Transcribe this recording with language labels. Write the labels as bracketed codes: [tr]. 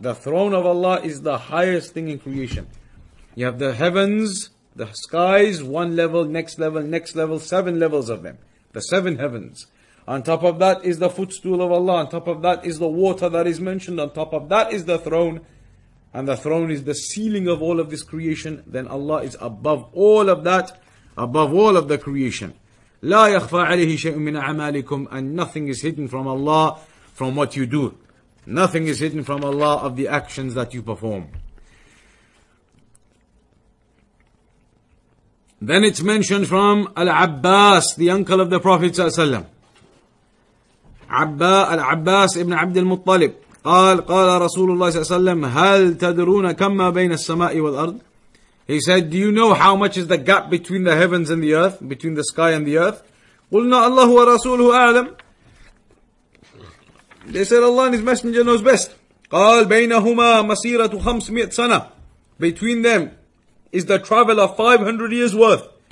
[en] The throne of Allah is the highest thing in creation. You have the heavens, the skies, one level, next level, next level, seven levels of them. The seven heavens. On top of that is the footstool of Allah. On top of that is the water that is mentioned. On top of that is the throne. And the throne is the ceiling of all of this creation. Then Allah is above all of that, above all of the creation. [ar] لا يخفى عليه شيء من أعمالكم. [en] And nothing is hidden from Allah from what you do. Nothing is hidden from Allah of the actions that you perform. Then it's mentioned from Al-Abbas, the uncle of the Prophet ﷺ. Al-Abbas ibn Abd al-Muttalib. [ar] قال رسول الله صلى الله عليه وسلم هل تدرون كما بين السماء والأرض. [en] He said, do you know how much is the gap between the heavens and the earth, between the sky and the earth? [ar] قلنا الله ورسوله أعلم. [en] They said Allah and His Messenger knows best. [ar] قال بينهما مسيرة 500 سنة. [en] Between them is the travel of 500 years worth.